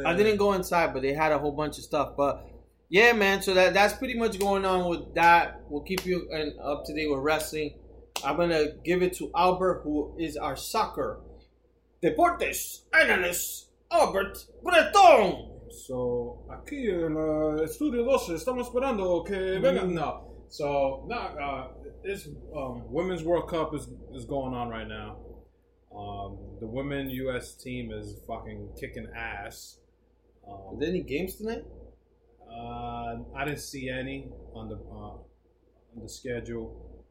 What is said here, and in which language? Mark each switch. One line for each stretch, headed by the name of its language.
English: I didn't go inside, but they had a whole bunch of stuff. But, yeah, man. So, that's pretty much going on with that. We'll keep you up to date with wrestling. I'm going to give it to Albert, who is our soccer deportes analyst, Albert Breton.
Spanish: So, aquí en Estudio 12, estamos esperando que venga.
English: Women's World Cup is going on right now. The women U.S. team is fucking kicking ass. Are there any games tonight? I didn't see any on the schedule.